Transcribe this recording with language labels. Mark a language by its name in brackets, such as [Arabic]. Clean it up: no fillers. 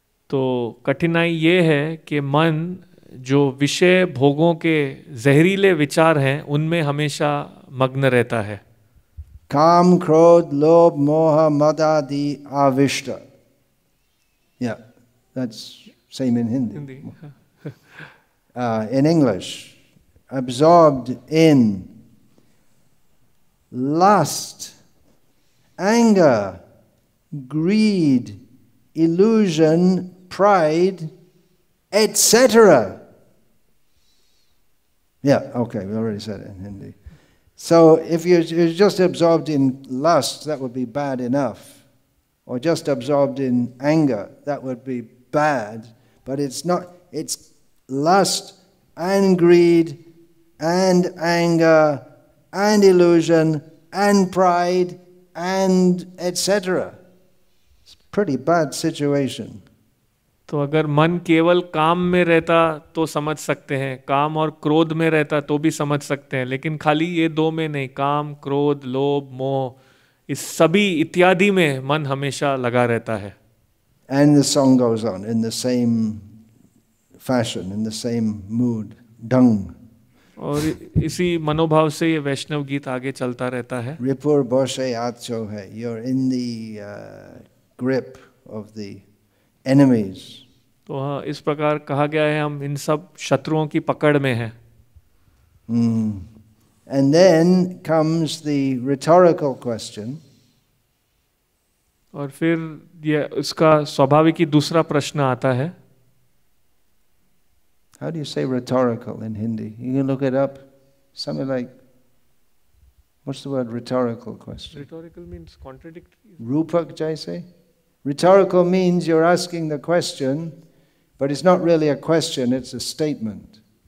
[Hindi] तो कठिनाई ये है कि मन जो विषय भोगों के जहरीले विचार हैं उनमें हमेशा मग्न रहता है. काम क्रोध लोभ मोह मदादि आविष्ट. [English] Yeah that's same in Hindi. In English absorbed in lust anger greed illusion pride, etc. Yeah, okay, we already said it in Hindi. So if you're just absorbed in lust, that would be bad enough. Or just absorbed in anger, that would be bad. But it's not, it's lust and greed and anger and illusion and pride and etc. It's a pretty bad situation. [Hindi] तो अगर मन केवल काम में रहता तो समझ सकते हैं, काम और क्रोध में रहता तो भी समझ सकते हैं, लेकिन खाली ये दो में नहीं, काम क्रोध लोभ मोह इस सभी इत्यादि में मन हमेशा लगा रहता है. [English] And the song goes on in the same fashion, in the same mood, dung. [Hindi] और इसी मनोभाव से ये वैष्णव गीत आगे चलता रहता है. [Bangla] रिपुर बोशे आचो है, [English] you're in the grip of the enemies. [Hindi] तो इस प्रकार कहा गया है हम इन सब शत्रुओं की पकड़ में हैं. [English] And then comes the rhetorical question. [Hindi] और फिर ये उसका स्वाभाविक ही दूसरा प्रश्न आता है. [English] How do you say rhetorical in Hindi? You can look it up. Something like, what's the word rhetorical question? Rhetorical means contradictory. [Hindi] Rupak jaise. [English] Rhetorical means you're asking the question, but it's not really a question, it's a statement.